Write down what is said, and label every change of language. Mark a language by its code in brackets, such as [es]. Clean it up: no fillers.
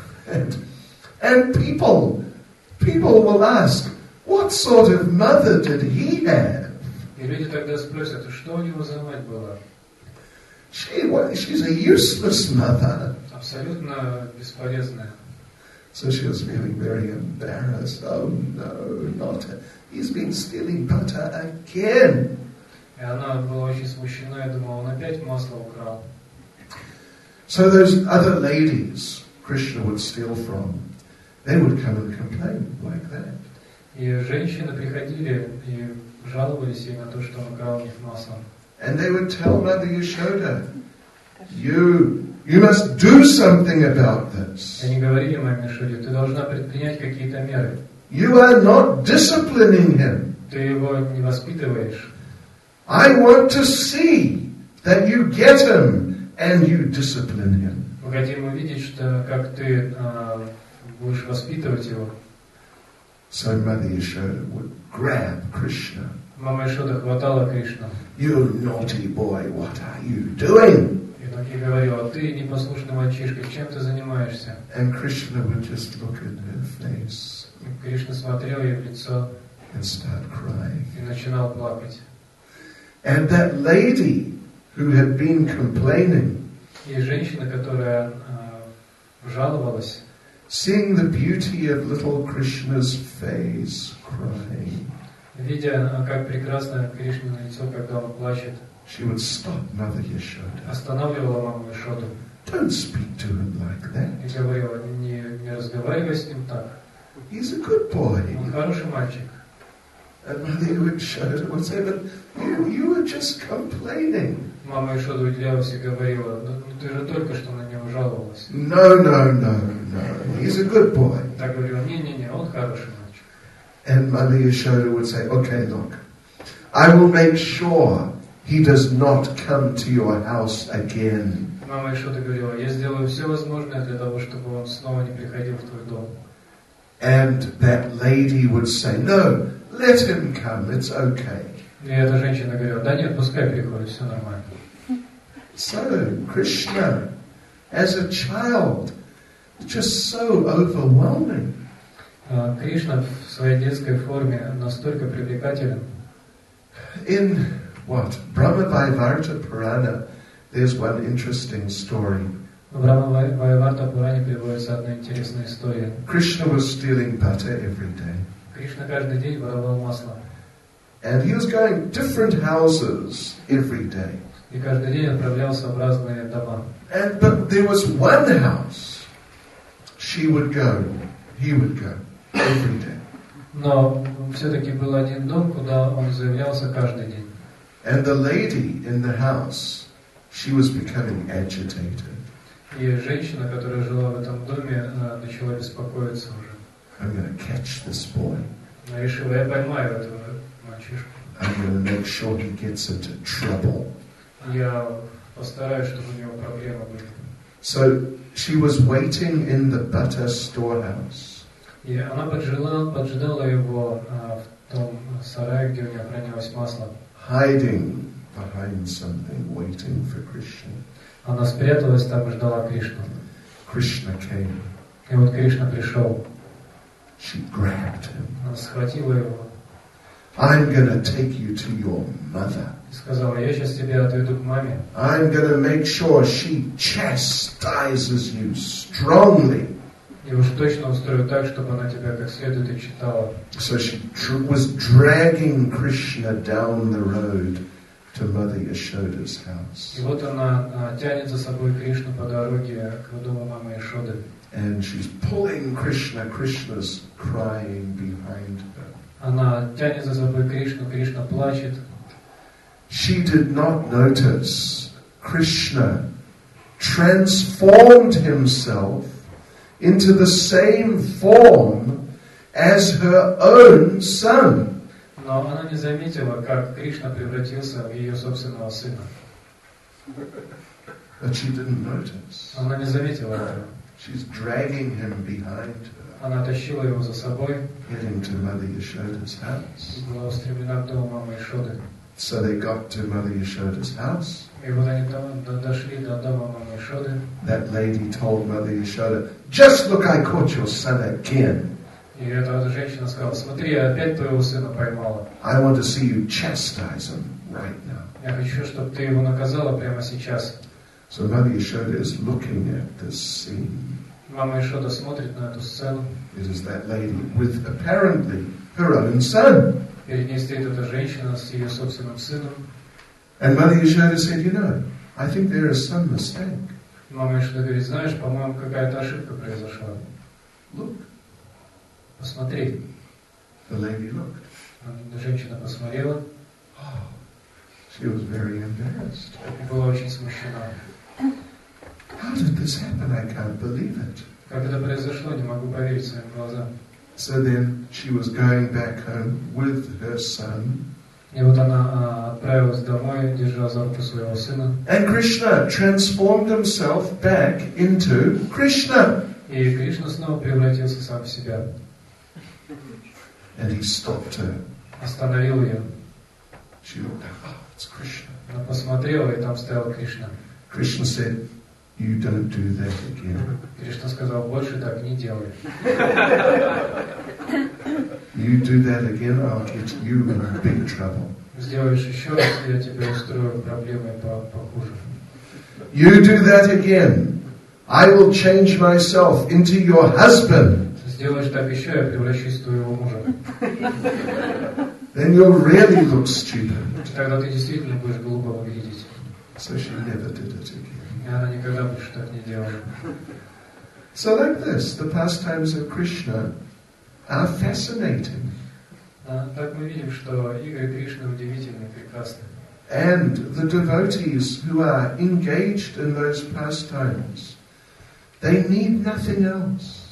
[en] And people will ask, what sort of mother did he have? [ru] И люди тогда спросят, что у него за мать была? [en] She's a useless mother. [ru] Абсолютно бесполезная. [en] So she was feeling very embarrassed. Oh no, not her. He's been stealing butter again. [ru] И она была очень смущена и думала, он опять масло украл. [en] So those other ladies Krishna would steal from, they would come and complain like that. [ru] И женщины приходили и жаловались ей на то, что он украл у них масло. [en] And they would tell Mother Yashoda, you must do something about this. [ru] Они говорили маме Яшоде, ты должна предпринять какие-то меры. [en] You are not disciplining him. [ru] Ты его не воспитываешь. [en] I want to see that you get him and you discipline him. [ru] Мы хотим увидеть, что как ты будешь воспитывать его. [en] So Mother Yashoda would grab Krishna. [ru] Мама Яшода хватала Кришну. [en] You naughty boy, what are you doing? [ru] И так ей говорила, ты непослушный мальчишка, чем ты занимаешься? [en] And Krishna would just look at her face. [ru] И Кришна смотрел ей в лицо. [en] And start crying. [ru] И начинал плакать. [en] And that lady who had been complaining, [ru] и женщина, которая жаловалась, [en] seeing the beauty of little Krishna's face, crying, [ru] видя как прекрасно Кришна лицо, когда он плачет, [en] she would stop Mother Yashoda, [ru] останавливала маму Яшоду, [en] don't speak to him like that, [ru] и говорила, не разговаривай с ним так, [en] he's a good boy, [ru] он хороший мальчик. [en] And Mother Yashoda would say, "But you were just complaining." [ru] Мама Яшода удивлялась и говорила, "Ну ты же только что на него жаловалась." [en] No. He's a good boy. [ru] Так говорила, не, он хороший мальчик. [en] And Mother Yashoda would say, "Okay, look, I will make sure he does not come to your house again." [ru] Мама Яшода говорила, "Я сделаю все возможное для того, чтобы он снова не приходил в твой дом." [en] And that lady would say, "No. Let him come, it's okay." [ru] И эта женщина говорила, да нет, пускай приходит, все нормально. [en] So, Krishna, as a child, just so overwhelming. [ru] Кришна в своей детской форме настолько привлекателен. [en] In what? Brahma Vaivarta Purana, there's one interesting story. [ru] В Брахма Вайварта Пуране приводится одна интересная история. [en] Krishna was stealing butter every day. [ru] Кришна каждый день воровал масло. [en] And he was going different houses every day. [ru] И каждый день отправлялся в разные дома. [en] And but there was one house she would go, he would go every day. [ru] Но все-таки был один дом, куда он заявлялся каждый день. [en] And the lady in the house, she was becoming agitated. [ru] И женщина, которая жила в этом доме, начала беспокоиться уже. [en] I'm going to catch this boy. [ru] Я решила, я поймаю этого мальчишку. [en] I'm going to make sure he gets into trouble. [ru] Я постараюсь, чтобы у него проблемы были. [en] So she was waiting in the butter storehouse. [ru] И она поджидала его в том сарае, где у него хранилось масло. [en] Hiding behind something, waiting for Krishna. [ru] Она спряталась там и ждала Кришну. [en] Krishna came. [ru] И вот Кришна пришел. [en] She grabbed him. [ru] Она схватила его. [en] I'm gonna take you to your mother. [ru] Сказала, я сейчас тебя отведу к маме. [en] I'm gonna make sure she chastises you strongly. [ru] Я уж точно устрою так, чтобы она тебя как следует и читала. [en] So she was dragging Krishna down the road to Mother Yashoda's house. [ru] И вот она тянет за собой Кришну по дороге к дому мамы Яшоды. [en] And she's pulling Krishna. Krishna's crying behind her. [ru] Она тянет за собой Кришну. Кришна плачет. [en] She did not notice Krishna transformed himself into the same form as her own son. [ru] Но она не заметила, как Кришна превратился в ее собственного сына. [en] But she didn't notice. [ru] Она не заметила этого. [en] She's dragging him behind her. [ru] Она тащила его за собой. [en] Heading to Mother Yashoda's house. [ru] Была устремлена к дому мамы Яшоды. [en] So they got to Mother Yashoda's house. [ru] И вот они там дошли до дома мамы Яшоды. [en] That lady told Mother Yashoda, "Just look, I caught your son again." [ru] И эта женщина сказала: "Смотри, я опять твоего сына поймала." [en] I want to see you chastise him right now. [ru] Я хочу, чтобы ты его наказала прямо сейчас. [en] So Mother Yashoda is looking at this scene. [ru] Мама Яшода смотрит на эту сцену. [en] It is that lady with apparently her own son. [ru] Перед ней стоит эта женщина с ее собственным сыном. [en] And Mother Yashoda said, "You know, I think there is some mistake." [ru] Мама Яшода говорит: "Знаешь, по-моему, какая-то ошибка произошла." [en] Look. [ru] Посмотри. [en] The lady looked. [ru] Женщина посмотрела. [en] She was very embarrassed. [ru] И была очень смущена. [en] How did this happen? I can't believe it. [ru] Как это произошло? Не могу поверить своим глазам. [en] So then she was going back home with her son. [ru] И вот она отправилась домой, держа за руку своего сына. [en] And Krishna transformed himself back into Krishna. [ru] И Кришна снова превратился сам в себя. [en] And he stopped her. [ru] Остановил ее. [en] She looked up. Oh, it's Krishna. [ru] Она посмотрела, и там стоял Кришна. [en] Krishna said, "You don't do that again." [ru] Кришна сказал: "Больше так не делай." [en] "You do that again, I'll get you in big trouble." [ru] Сделаешь еще раз, я тебе устрою проблемы похуже. [en] "You do that again, I will change myself into your husband." [ru] Сделаешь так еще, я превращусь в твоего мужа. [en] "Then you'll really look stupid." [ru] Тогда ты действительно будешь глупо выглядеть. [en] So she never did it again. [ru] И она никогда больше так не делала. [en] So like this, the pastimes of Krishna are fascinating. [ru] Так мы видим, что игры Кришны удивительны, прекрасны. [en] And the devotees who are engaged in those pastimes, they need nothing else.